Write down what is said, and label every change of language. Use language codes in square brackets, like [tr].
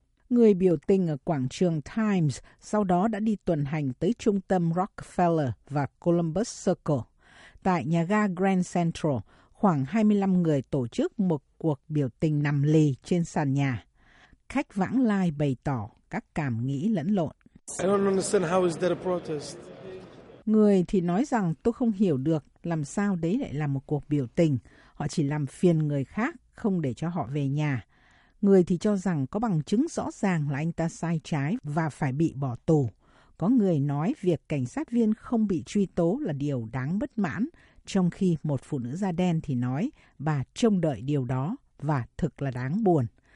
[vi] Người biểu tình ở quảng trường Times sau đó đã đi tuần hành tới trung tâm Rockefeller và Columbus Circle. Tại nhà ga Grand Central, khoảng 25 người tổ chức một cuộc biểu tình nằm lì trên sàn nhà. Khách vãng lai bày tỏ các cảm nghĩ lẫn lộn. [en] I don't understand how is that a protest? [vi] Người thì nói rằng tôi không hiểu được làm sao đấy lại là một cuộc biểu tình. Họ chỉ làm phiền người khác, không để cho họ về nhà. Người thì cho rằng có bằng chứng rõ ràng là anh ta sai trái và phải bị bỏ tù. Có người nói việc cảnh sát viên không bị truy tố là điều đáng bất mãn, trong khi một phụ nữ da đen thì nói bà trông đợi điều đó và thực là đáng buồn.